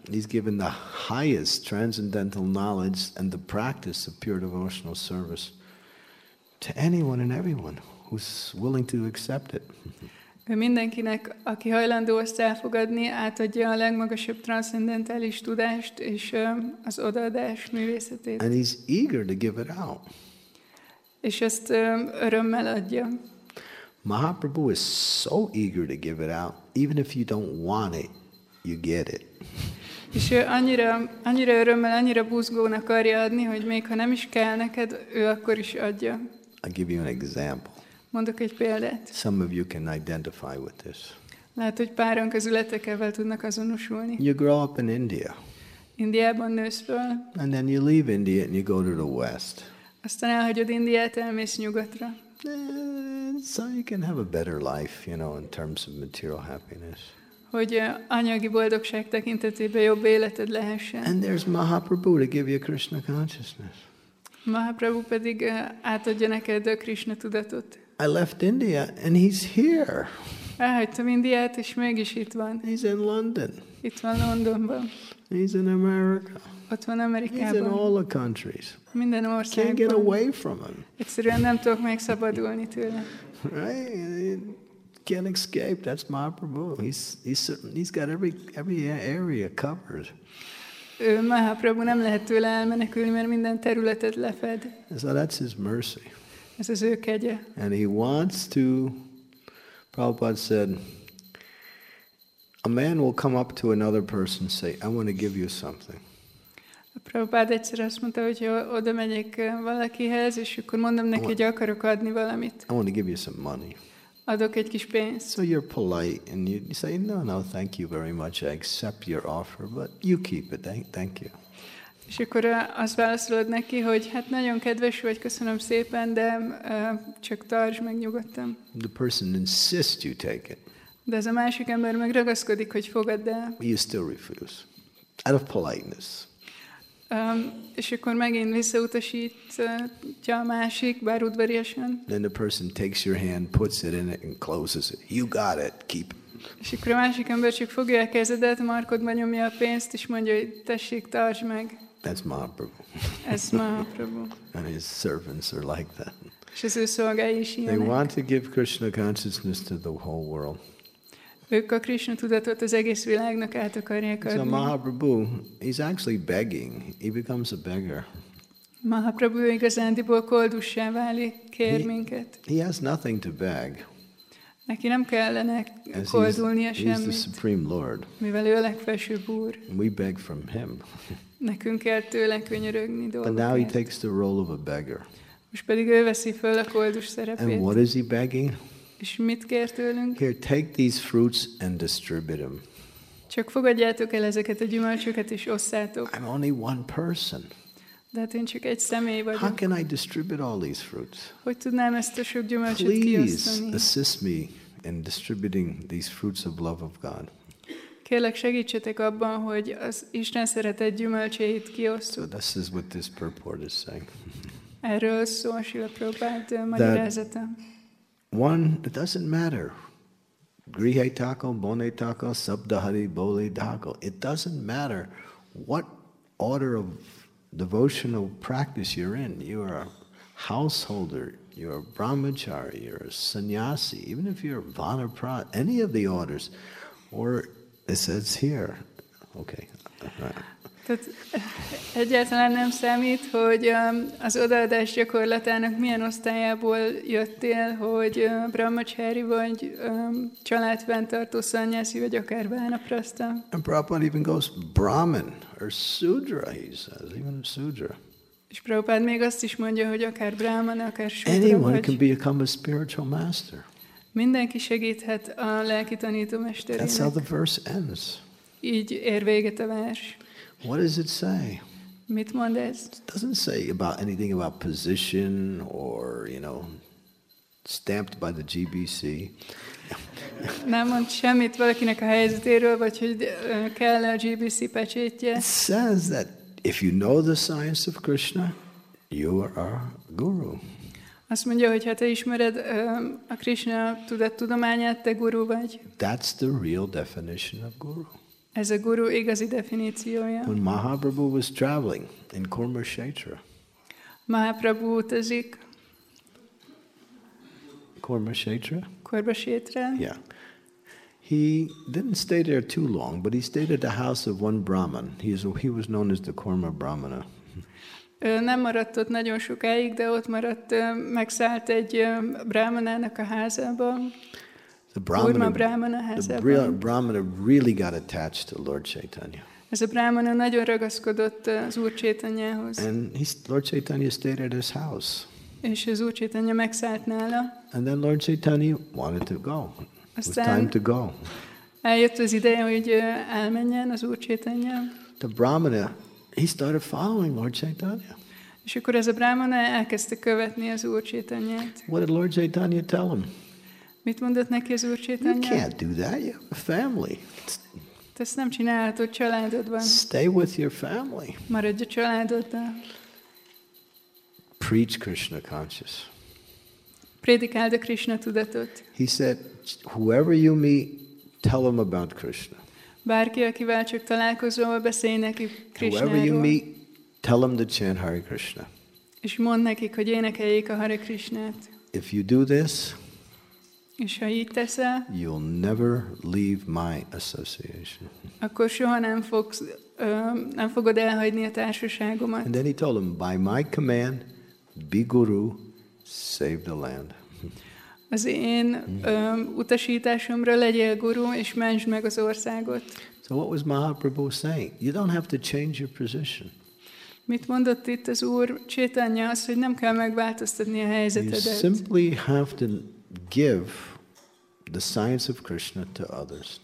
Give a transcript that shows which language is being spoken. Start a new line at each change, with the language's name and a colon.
English: He's given the highest transcendental knowledge and the practice of pure devotional service to anyone and everyone who's willing to accept it.
Hungarian: Mindenkinek, aki hajlandó ezt elfogadni, átadja a legmagasabb transzcendentális tudást és az odaadás művészetét.
English: And he's eager to give it out.
Hungarian: És ezt örömmel adja.
English: Mahaprabhu is so eager to give it out, even if you don't want it, you get it.
Hungarian: És ő annyira örömmel, annyira buzgón akarja adni, hogy még ha nem is kell neked, ő akkor is adja.
English: I'll give you an example.
Hungarian: Mondok egy példát.
English: Some of you can identify with this.
Hungarian: Lehet, hogy páran közületek ebben tudnak azonosulni.
English: You grow up in India.
Hungarian: Indiában nősz fel.
English: And then you leave India and you go to the West.
Hungarian: Aztán elhagyod Indiát, elmész nyugatra.
English: So you can have a better life, you know, in terms of material happiness.
Hungarian: Hogy anyagi boldogság tekintetében jobb életed lehessen.
English: And there's Mahaprabhu to give you Krishna consciousness.
Hungarian: Mahaprabhu pedig átadja neked a Krishna tudatot.
English: I left India and he's here.
Hungarian: Elhagytam Indiát és mégis itt van.
English: He's in London.
Hungarian: Itt van Londonban.
English: He's in America.
Hungarian: Ott van Amerikában.
English: He's in all the countries.
Hungarian: Minden országban.
English: Can't get away from him.
Hungarian: Egyszerűen nem tudok megszabadulni tőle.
English: Right? can't escape. That's Mahaprabhu. He's got every area covered.
Hungarian: Ő Mahaprabhu nem lehet tőle elmenekülni, mert minden területet lefed.
English: So that's his mercy.
Hungarian: Ez az ő kegye.
English: And he wants to, Prabhupada said, a man will come up to another person and say, I want to give you something.
Hungarian: Prabhupád egyszer azt mondta, hogy oda megyek valakihez, és akkor mondom neki, hogy akarok adni valamit.
English: I want to give you some money.
Hungarian: Adok egy kis pénzt.
English: So you're polite and you say, no, no, thank you very much, I accept your offer, but you keep it, thank you.
Hungarian: És akkor azt válaszolod neki, hogy hát nagyon kedves vagy, köszönöm szépen, de csak tartsd meg nyugodtan.
English: The person insists you take it.
Hungarian: De ez a másik ember meg ragaszkodik, hogy fogadd el.
English: You still refuse, out of politeness.
Hungarian: És akkor megint visszautasítja a másik, bár udvariasan.
English: Then the person takes your hand, puts it in it, and closes it. You got it, keep it.
Hungarian: És akkor a másik ember csak fogja a kezedet, markodba nyomja a pénzt, és mondja, hogy tessék, tartsd meg.
English: That's Mahaprabhu.
Hungarian: Ez Mahaprabhu.
English: And his servants are like that.
Hungarian: És az ő szolgái is ilyenek.
English: They want to give Krishna consciousness to the whole world.
Hungarian: Ők a Krishna tudatot az egész világnak át akarják adni.
English: So Mahaprabhu, he's actually begging. He becomes a beggar.
Hungarian: Mahaprabhu igazándiból koldussá válik, kér minket.
English: He has nothing to beg.
Hungarian: Neki nem kellene koldulnia semmit.
English: He's the Supreme Lord.
Hungarian: Mivel ő a legfelsőbb úr.
English: And we beg from him.
Hungarian: Nekünk kell tőle könyörögni dolgokért.
English: But now he takes the role of a beggar.
Hungarian: Most pedig ő veszi föl a koldus szerepét.
English: And what is he begging?
Hungarian: És mit kér tőlünk?
English: Here, take these fruits and distribute them.
Hungarian: Csak fogadjátok el ezeket a gyümölcsöket, és osszátok.
English: I'm only one person.
Hungarian: De hát én csak egy személy vagyok.
English: How can I distribute all these fruits?
Hungarian: Hogy tudnám ezt a sok gyümölcsöt
English: Please
Hungarian: kiosztani?
English: Please assist me in distributing these fruits of love of God.
Hungarian: Kérlek, segítsetek abban, hogy az Isten szeretett gyümölcseit kiosztok.
English: So this is what this purport is saying.
Hungarian: Erről szól Srila Prabhupada magyarázata.
English: One, it doesn't matter.
Bangla: Grihe taco, bone taco, sabdahari, bole taco.
English: It doesn't matter what order of devotional practice you're in. You are a householder, you're a brahmachari, you're a sannyasi, even if you're a vanaprastha, any of the orders. Or it says here. Okay.
Hungarian: Tehát egyáltalán nem számít, hogy az odaadás gyakorlatának milyen osztályából jöttél, hogy brahmacheri vagy családfenntartó szanyászi vagy akár vanaprastha.
English: And Prabhupada even goes Brahman or Sudra, he says, even Sudra.
Hungarian: És Prabhupada még azt is mondja, hogy akár Brahman, akár Sudra.
English: Anyone
Hungarian: vagy.
English: Can become a spiritual master.
Hungarian: Mindenki segíthet a lelki tanítómesterének.
English: That's how the verse ends.
Hungarian: Így ér véget a vers.
English: What does it say?
Hungarian: Mit mond ez?
English: It doesn't say about anything about position or, you know, stamped by the GBC.
Hungarian: Nem mond semmit valakinek a helyzetéről, vagy hogy kell a GBC pecsétje.
English: It says that if you know the science of Krishna, you are a guru.
Hungarian: Azt mondja, hogy ha te ismered a Krishna tudományát, te guru vagy.
English: That's the real definition of guru.
Hungarian: Ez a guru igazi definíciója.
English: When Mahaprabhu was traveling in Kurmakshetra.
Hungarian: Mahaprabhu utazik. Kurmakshetra? Kurmakshetra.
English: Yeah. He didn't stay there too long, but he stayed at the house of one Brahman. He was known as the Korma Brahmana.
Hungarian: Nem maradt ott nagyon sokáig, de ott maradt, megszállt egy Brahmanának a házában.
English: The Brahmana really got attached to Lord Chaitanya.
Hungarian: Ez a Brahmana nagyon ragaszkodott az Úr Chaitanyához.
English: And Lord Chaitanya stayed at his house.
Hungarian: És az Úr Chaitanya megszállt nála.
English: And then Lord Chaitanya wanted to go. It was time to go.
Hungarian: Eljött az ideje, hogy elmenjen az Úr Chaitanya.
English: The Brahmana, he started following Lord Chaitanya.
Hungarian: És akkor ez a Brahmana elkezdte követni az Úr Chaitanyát.
English: What did Lord Chaitanya tell him?
Hungarian: Mit mondott neki az Úr Chaitanya?
English: You can't do that. You have a family.
Hungarian: Te ezt nem csinálhatod családodban.
English: Stay with your family.
Hungarian: Maradj a családoddal.
English: Preach Krishna conscious.
Hungarian: Prédikáld a Krishna tudatot.
English: He said, whoever you meet, tell them about Krishna.
Hungarian: Bárki, akivel csak találkozol, beszélj neki Krishnáról.
English: Whoever you meet, tell them to chant Hare Krishna.
Hungarian: És mondd nekik, hogy énekeljék a Hare Krishnát.
English: If you do this,
Hungarian: És ha így teszel,
English: you'll never leave my association.
Hungarian: Akkor soha nem fogsz, nem fogod elhagyni a társaságomat.
English: And then he told him, by my command, Biguru, save the land.
Hungarian: Az én utasításomra legyél guru, és mentsd meg az országot.
English: So what was Mahaprabhu saying? You don't have to change your position.
Hungarian: Mit mondott itt az Úr Chaitanya, az, hogy nem kell megváltoztatni a helyzetedet.
English: You simply have to give the science of Krishna to others.